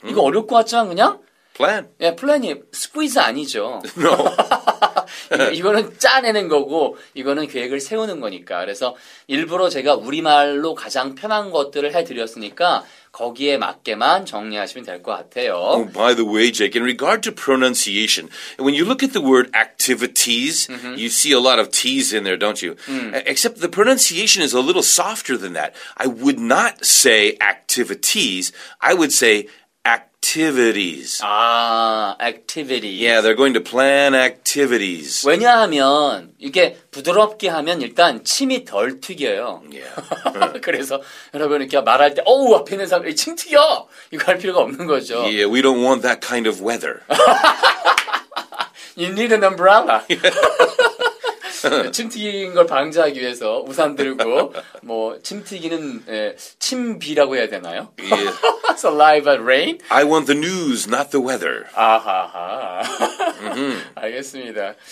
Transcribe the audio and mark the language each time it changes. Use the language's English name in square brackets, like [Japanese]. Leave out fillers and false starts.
[Korean] 이거 어려울 것 같지만 그냥? [English] Plan. [Korean] 예, plan이 squeeze 아니죠. [English] No. [Korean] 이거는 짜내는 거고 이거는 계획을 세우는 거니까. 그래서 일부러 제가 우리말로 가장 편한 것들을 해드렸으니까 거기에 맞게만 정리하시면 될 것 같아요. [English] Oh, by the way, Jake, in regard to pronunciation, when you look at the word activities, mm-hmm. you see a lot of T's in there, don't you? Mm. Except the pronunciation is a little softer than that. I would not say activities. I would say activities. Ah, activities. Yeah, they're going to plan activities. [Korean] 왜냐하면 이게 부드럽게 하면 일단 침이 덜 튀겨요. [English] Yeah. [Korean] 그래서 여러분 이렇게 말할 때 어우 앞에 있는 사람이 침 튀겨! 이거 할 필요가 없는 거죠. [English] Yeah, we don't want that kind of weather. You need an umbrella. [Korean] 침 튀긴 걸 방지하기 위해서 우산 들고 뭐 침 튀기는 예, 침비라고 해야 되나요? [English] Yeah. Saliva rain? I want the news, not the weather. [Korean] 아하하. Mm-hmm. 알겠습니다.